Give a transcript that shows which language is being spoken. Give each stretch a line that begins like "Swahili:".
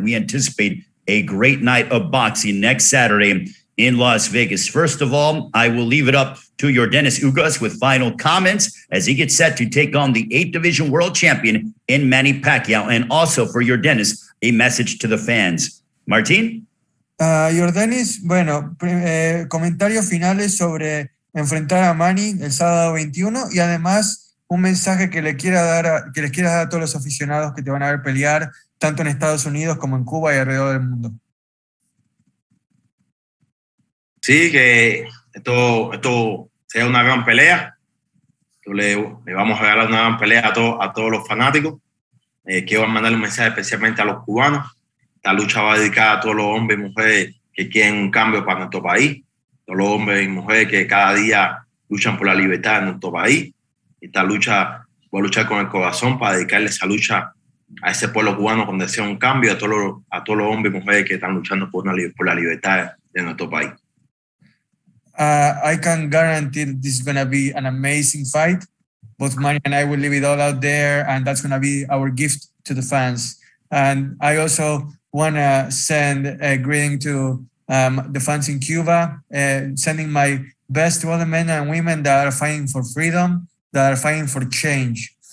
English: We anticipate a great night of boxing next Saturday in Las Vegas. First of all, I will leave it up to your Dennis Ugas with final comments as he gets set to take on the 8th Division World Champion in Manny Pacquiao. And also for your Dennis, a message to the fans. Martín.
Spanish: Jordanis, bueno, comentarios finales sobre enfrentar a Manny el sábado 21 y además un mensaje que le quiera dar a, que les quieras dar a todos los aficionados que te van a ver pelear tanto en Estados Unidos como en Cuba y alrededor del mundo. Sí, que esto sea una gran pelea. Le vamos a regalar una gran pelea a todos los fanáticos. Quiero mandarle un mensaje especialmente a los cubanos. Esta lucha va dedicada a todos los hombres y mujeres que quieren un cambio para nuestro país, todos los hombres y mujeres que cada día luchan por la libertad en nuestro país. Esta lucha, voy a luchar con el corazón para dedicarle esa lucha a ese pueblo cubano con deseo de un cambio, a todos los hombres y mujeres que están luchando por la libertad de nuestro país.
English: I can guarantee that this is going to be an amazing fight. Both Manny and I will leave it all out there, and that's going to be our gift to the fans. And I also want to send a greeting to the fans in Cuba, sending my best to all the men and women that are fighting for freedom, that are fighting for change.